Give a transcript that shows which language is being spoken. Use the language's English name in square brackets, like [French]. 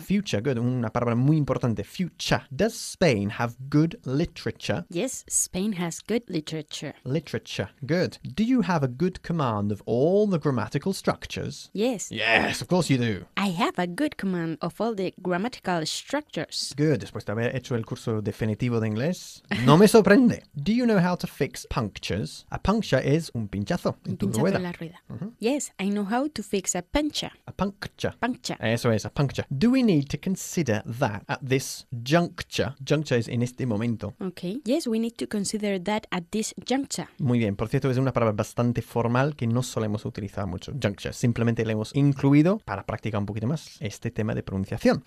[English] Future, good. [Spanish] Una palabra muy importante, [English] future. Does Spain have good literature? Yes, Spain has good literature. Literature, good. Do you have a good command of all the grammatical structures? Yes. Yes, of course you do. I have a good command of all the grammatical structures. [Spanish] Good, después de haber hecho el curso definitivo de inglés. No me sorprende. [English] Do you know how to fix punctures? A puncture is [Spanish] un pinchazo en tu pinchazo rueda. En la rueda. Mm-hmm. [English] Yes, I know how to fix a puncture. A puncture. Puncture. [Spanish] Eso es, a puncture. [English] Do we need to consider that at this juncture? Juncture is [Spanish] en este momento. [English] Okay. Yes, we need to consider that at this juncture. [Spanish] Muy bien. Por cierto, es una palabra bastante formal que no solemos utilizar mucho. Juncture. Simplemente la hemos incluido para practicar un poquito más este tema de pronunciación.